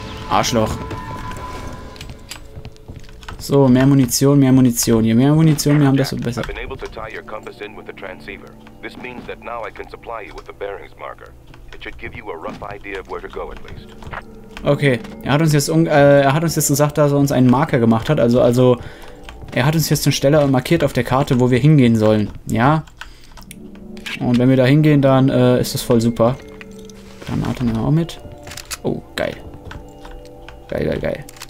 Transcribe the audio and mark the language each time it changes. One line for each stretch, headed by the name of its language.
German: Arschloch. So, mehr Munition, mehr Munition. Je mehr Munition wir haben, desto besser.
English: I've been able to tie your compass in with the transceiver. This means that now I can supply you with the bearings marker. It should give you a rough idea of where to go at least.
German: Okay, er hat uns jetzt gesagt, dass er uns einen Marker gemacht hat. Also er hat uns jetzt eine Stelle markiert auf der Karte, wo wir hingehen sollen. Ja? Und wenn wir da hingehen, dann ist das voll super. Granate nehmen wir auch mit. Oh, geil. Geil, geil, geil.